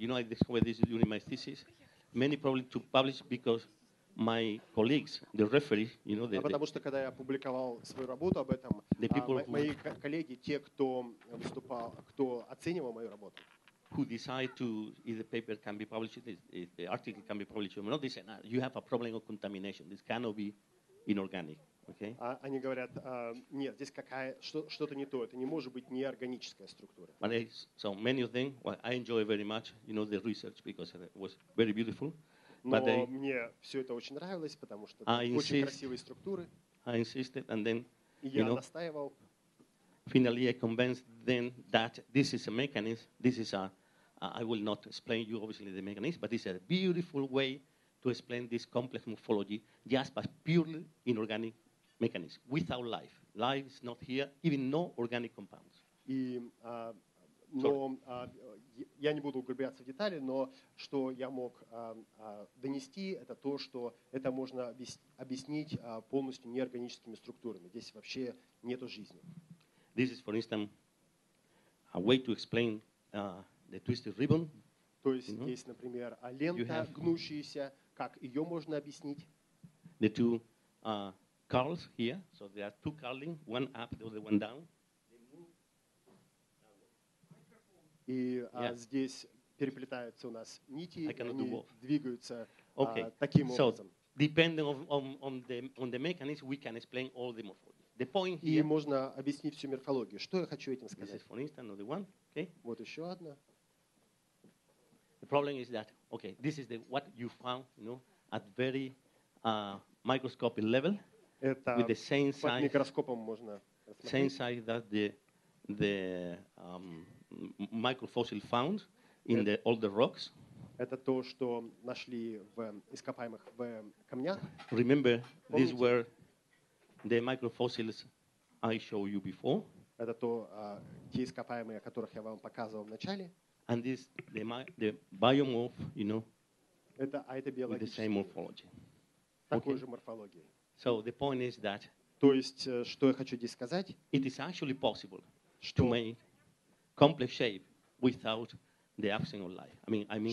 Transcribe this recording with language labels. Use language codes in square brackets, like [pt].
[en] You know, I discovered this during my thesis. Many problems to publish because my colleagues, the referees, you know, [ru] потому что когда я публиковал свою работу об этом, мои коллеги, те, кто выступал, кто оценивал мою работу, [en] who decide to if the paper can be published, if the article can be published or not, they say, you have a problem of contamination. This cannot be inorganic. Okay. [ru] Они говорят, нет, здесь что-то не то, это не может быть неорганическая структура. [en] So many of them, well, I enjoy very much, you know, the research because it was very beautiful. [ru] Но мне все это очень нравилось, потому что очень красивые структуры. [en] I insisted, and then, [ru] я настаивал. [en] Finally, I convinced them that this is a mechanism. This is I will not explain you obviously the mechanism, but this is a beautiful way to explain this complex morphology just by purely inorganic. Mechanism without life. Life is not here, even no organic compounds. [ru] И но я не буду углубляться в детали, но что я мог донести, это то, что это можно объяснить полностью неорганическими структурами. Здесь вообще нету жизни. [en] This is, for instance, a way to explain the twisted ribbon. [ru] То есть здесь, например, лента гнущаяся. Как ее можно объяснить? [en] The two curls here, so there are two curling, one up, the other one down. [ru] И здесь переплетаются у нас нити, они двигаются таким образом. [en] So, depending on the mechanism, we can explain all the morphology. The point here. [ru] И можно объяснить всю морфологию. Что я хочу этим сказать? [en] This is, for instance, another one. Okay. [ru] Вот еще одна. [en] The problem is that, okay, this is the what you found, you know, at very microscopic level, [ru] это [en] with the same size. [ru] Под микроскопом можно рассмотреть. [en] Same size that the microfossil found in the older rocks. [ru] Это то, что нашли в ископаемых в камнях. [en] Remember, [ru] помните? [en] These were the microfossils I showed you before. [ru] Это то, те ископаемые, о которых я вам показывал в начале. [en] And this the biomorph, you know, [ru] это [en] with the same morphology. [ru] Такой же морфологии. [en] So the point is that. [ru] То есть, что я хочу здесь сказать? [en] It is actually possible to make complex shape without the absence of life. I mean